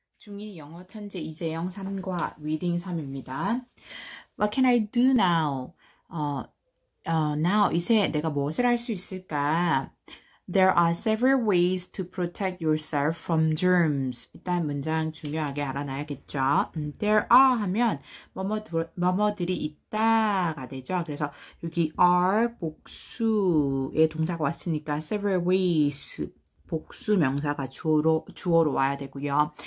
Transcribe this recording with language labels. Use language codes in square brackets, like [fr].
[ko] 중2 영어 천재 이재영 3과 리딩 3입니다. [en] What can I do now? [ko] Now 이제 내가 무엇을 할수 있을까? [en] There are several ways to protect yourself from germs. [ko] 일단 문장 중요하게 알아놔야겠죠. There are 하면 뭐뭐들이 있다가 되죠. 그래서 여기 are 복수의 동사가 왔으니까 several ways. 복수 명사가 주어로 와야 되고요.